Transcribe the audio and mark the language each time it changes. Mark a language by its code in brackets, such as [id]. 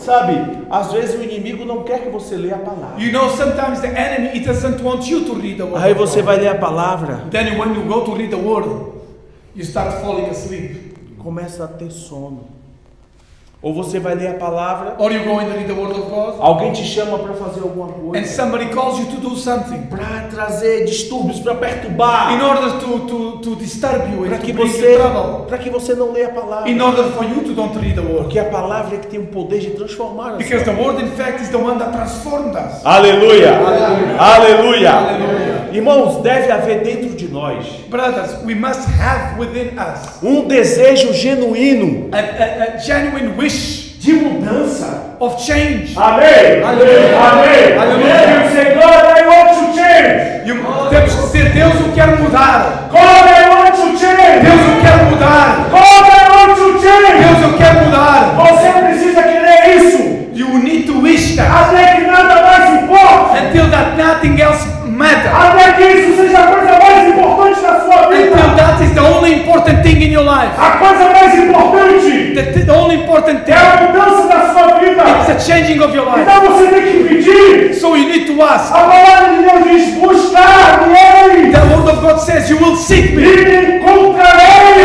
[pt] Sabe, às vezes o inimigo não quer que você leia a palavra. [en] You know, sometimes the enemy it doesn't want you to read the word. [pt] Aí você vai ler a palavra. [en] Then when you go to read the word, you start falling asleep. [pt] Começa a ter sono. Ou você vai ler a palavra? [en] Or you're going to read the word of God? [pt] Alguém te chama para fazer alguma coisa? [en] And somebody calls you to do something. [pt] Para trazer distúrbios, para perturbar. [en] In order to disturb you. [pt] Para que você não leia a palavra. [en] In order for you to don't read the word. [pt] Porque a palavra é que tem o poder de transformar. [en] Because the word in fact is the one that transforms us. [pt] Aleluia. Aleluia. Irmãos, deve haver dentro de nós. [en] Brothers, we must have within us. [pt] Um desejo genuíno. [en] A genuine wish [pt] de mudança. [en] Of change. [pt] Amém. Aleluia. Amém. Aleluia. [en] Senhor, I want to change. [pt] Temos que ser Deus, eu quero mudar. [en] God, I want to change. [pt] Deus, eu quero mudar. [en] God, I want to change. [pt] Deus, eu quero mudar. Você precisa querer isso. [en] You need to wish that. [pt] Até que nada mais importa. [en] Until that nothing else matter. [pt] Até que isso seja a coisa mais importante na sua vida. [en] Until that is the only important thing in your life. [pt] A coisa mais importante. [en] The only important thing. [pt] É a mudança da sua vida. [en] It's a changing of your life. [pt] Então você tem que pedir. [en] So you need to ask. [pt] A palavra de Deus diz, buscar-me. [en] The word of God says, you will seek me. [pt] E me encontrarei.